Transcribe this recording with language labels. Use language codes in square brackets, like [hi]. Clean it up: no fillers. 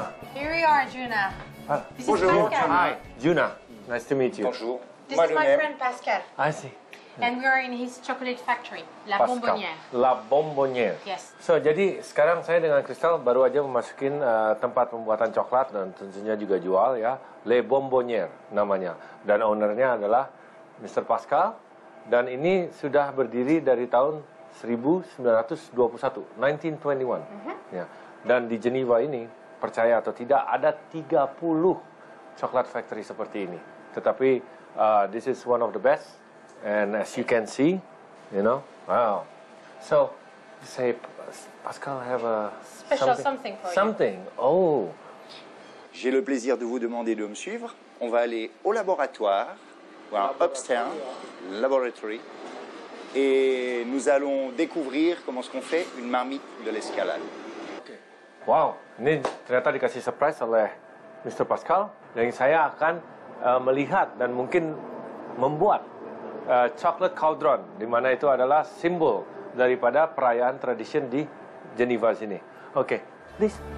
[en] Here we are, Juna. This is Pascal. Hi, Juna. Nice to meet you. [fr] Bonjour. [en] This is my friend Pascal. I see. And we are in his chocolate factory, La Pascal. Bonbonnière. La Bonbonnière. Yes. [id] So, jadi sekarang saya dengan Crystal baru aja memasukin tempat pembuatan coklat dan tentunya juga jual ya, Le Bonbonnière namanya. Dan ownernya adalah Mr. Pascal. Dan ini sudah berdiri dari tahun 1921. Mm-hmm. Ya. Dan di Geneva ini, percaya atau tidak, ada 30 chocolate factory seperti ini. Tetapi, [en] this is one of the best. And as you can see, you know, wow. So, say, Pascal, I have a... Special something for something. You. Something, oh. [fr] J'ai le plaisir de vous demander de me suivre. On va aller au laboratoire, [en] well, upstairs, laboratory. [fr] Et nous allons découvrir comment ce qu'on fait une marmite de l'escalade. [id] Wow, ini ternyata dikasih surprise oleh Mr. Pascal. Dan saya akan melihat dan mungkin membuat chocolate cauldron, di mana itu adalah simbol daripada perayaan tradition di Geneva sini. Oke, [en] okay, please.